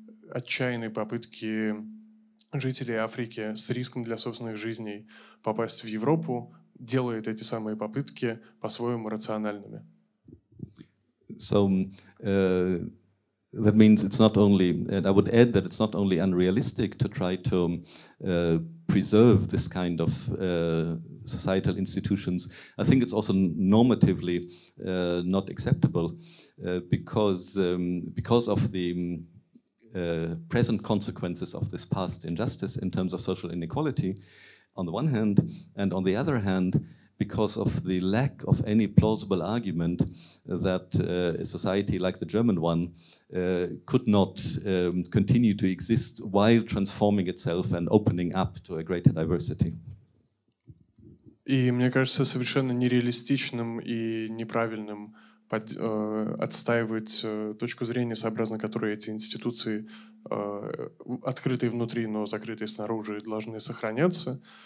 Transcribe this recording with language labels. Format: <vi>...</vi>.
<ru>отчаянные попытки жителей Африки с риском для собственных жизней попасть в Европу, делает эти самые попытки по-своему рациональными.</ru> <en>So that means it's not only, and I would add that it's not only unrealistic to try to preserve this kind of societal institutions. I think it's also normatively not acceptable because of the present consequences of this past injustice in terms of social inequality, on the one hand, and on the other hand, because of the lack of any plausible argument that a society like the German one could not continue to exist while transforming itself and opening up to a greater diversity.</en> <ru>И мне кажется совершенно нереалистичным и неправильным отстаивать точку зрения, сообразно которой эти институции, открытые внутри, но закрытые снаружи, должны сохраняться.</ru>